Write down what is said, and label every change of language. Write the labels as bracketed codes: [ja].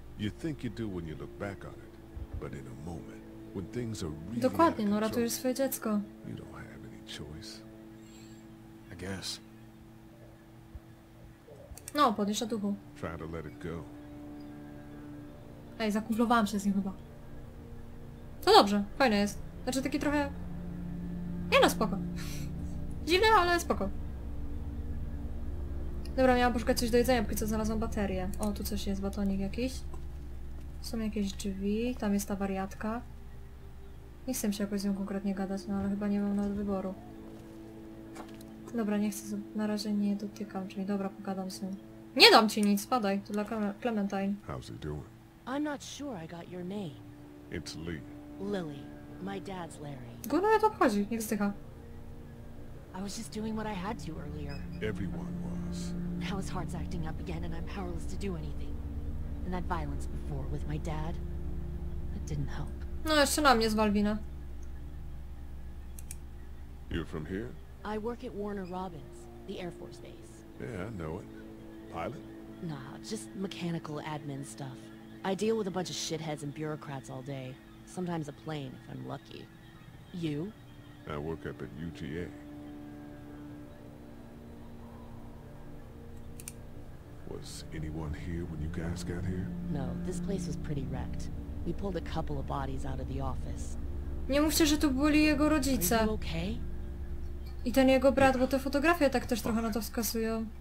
[en] You think you do when you look back on it. But in a moment, when things are really [pl] dokładnie, no ratujesz swoje dziecko. [en] You don't have any choice. I guess. [pl] No, podnieś na duchu. [en] Try to let it go. [pl] Ej, zakumplowałam się z nim chyba. To dobrze, fajne jest. Znaczy taki trochę... Nie no, spoko. Dziwne, ale spoko. Dobra, miałam poszukać coś do jedzenia, póki co znalazłam baterię. O, tu coś jest, batonik jakiś. Są jakieś drzwi, tam jest ta wariatka. Nie chcę się jakoś z nią konkretnie gadać, no ale chyba nie mam nawet wyboru. Dobra, nie chcę, na razie nie dotykam, czyli dobra, pogadam z nią. Nie dam ci nic, spadaj, to dla Clementine. [en] How's he doing? I'm not sure I got your name. It's Lee. Lily. My dad's Larry. [pl] Gówno mnie to obchodzi, niech zdycha. [en] I was just doing what I had to earlier. Everyone was. Now his heart's acting up again and I'm powerless to do anything. And that violence before with my dad, that didn't help. [pl] No jeszcze na mnie zwal wina. [en] You're from here? I work at Warner Robins, the Air Force base. Yeah, I know it. Pilot? Nah, just mechanical admin stuff. I deal with a bunch of shitheads and bureaucrats all day. Sometimes a plane, if I'm lucky. You? I work up at UGA. Was anyone here when you guys got here? No, this place was pretty wrecked. We pulled a couple of bodies out of the office. [pl] Nie mówcie, że to byli jego rodzice. [en] Are you okay? [pl] I ten jego brat, bo te fotografie tak też trochę na to wskazują.